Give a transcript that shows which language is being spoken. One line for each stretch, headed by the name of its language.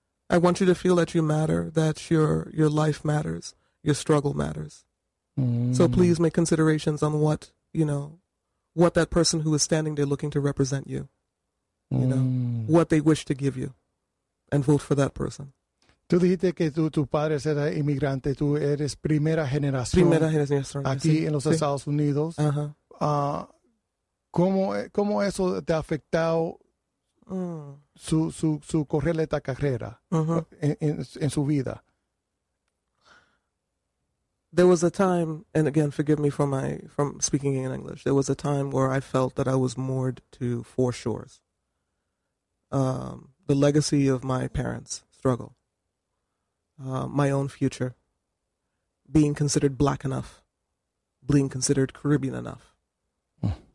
English: I want you to feel that you matter, that your life matters, your struggle matters. Mm-hmm. So please make considerations on what, you know, what that person who is standing there looking to represent you, mm-hmm. you know, what they wish to give you, and vote for that person.
Spanish: Tú dijiste que tu padre era inmigrante, tú eres primera generación aquí sí, en los Estados Unidos. Uh-huh. ¿Cómo eso te ha afectado su correr esta carrera en su vida?
English: There was a time, and again, forgive me from speaking in English. There was a time where I felt that I was moored to four shores. The legacy of my parents' struggle. my own future, being considered black enough, being considered Caribbean enough. Mm.